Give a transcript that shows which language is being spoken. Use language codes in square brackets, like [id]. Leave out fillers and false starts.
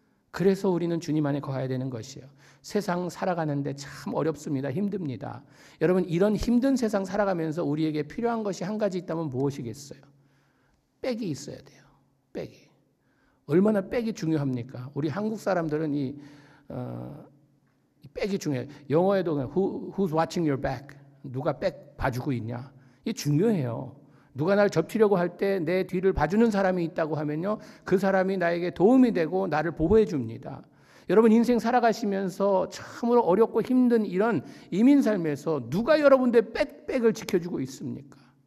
[ko] 그래서 우리는 주님 안에 거해야 되는 것이에요. 세상 살아가는데 참 어렵습니다. 힘듭니다. 여러분 이런 힘든 세상 살아가면서 우리에게 필요한 것이 한 가지 있다면 무엇이겠어요? 백이 있어야 돼요. 백이. 얼마나 백이 중요합니까? 우리 한국 사람들은 이 백이 중요해요. 영어에도 [en] who's watching your back? [ko] 누가 백 봐주고 있냐? 이게 중요해요. 누가 날 접치려고 할 때 내 뒤를 봐주는 사람이 있다고 하면요. 그 사람이 나에게 도움이 되고 나를 보호해 줍니다. 여러분 인생 살아가시면서 참으로 어렵고 힘든 이런 이민 삶에서 누가 여러분들의 백을 지켜주고 있습니까?